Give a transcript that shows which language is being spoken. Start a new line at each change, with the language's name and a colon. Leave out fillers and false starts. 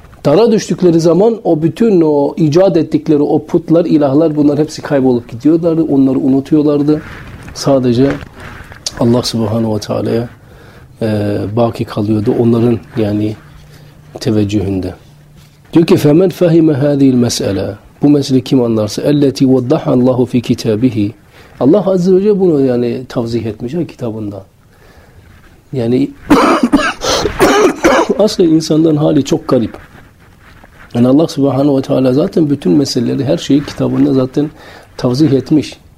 Turkish: Dara düştükleri zaman o bütün o icat ettikleri o putlar, ilahlar, bunlar hepsi kaybolup gidiyorlardı. Onları unutuyorlardı. Sadece Allah Subhanahu ve Teala'ya baki kalıyordu onların yani teveccühünde. Diyor ki
Arabic: فَمَنْ فَهِمَ هَذِهِ الْمَسْأَلَى.
Turkish: Bu mesele kim anlarsa
Arabic: اَلَّتِي وَضَّحَ اللّٰهُ فِي كِتَابِهِ.
Turkish: Allah Azze ve Celle bunu yani tavzih etmiş ya kitabında. Yani aslında insanların hali çok garip. Yani Allah Subhanahu ve Teala zaten bütün meseleleri, her şeyi kitabında zaten tavzih etmiş.